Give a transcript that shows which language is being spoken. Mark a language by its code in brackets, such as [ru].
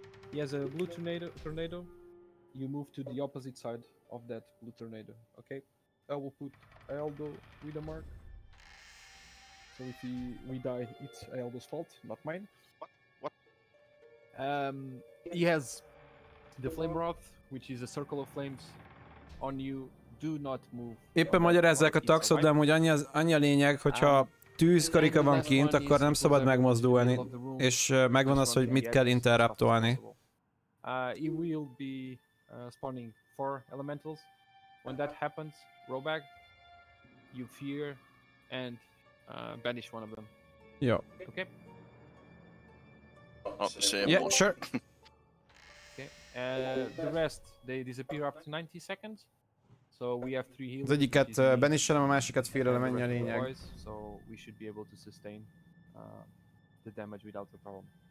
[en] He has a blue tornado. You move to the opposite side of that blue tornado. Okay. I will put Aldo with a mark. So if we die, it's Aldo's fault, not mine. What? He has the Flame Wrath, which is a circle of flames on you. Do not move. [hu] Éppen magyarázzák a taxot, de amúgy annyi a lényeg, hogyha tűzkarika van kint, akkor nem szabad megmozdulni. És megvan az, hogy mit kell interruptolni. [en] He will be spawning four elementals. When that happens, roll back. You fear and banish one of them. Yeah. Okay. Yeah, sure. Okay. The rest, they disappear after 90 seconds. So we have three heals. [hu] Az egyiket banishelem, a másikat félelem, mennyi a lényeg. [en] So we should be able to sustain the damage without a problem.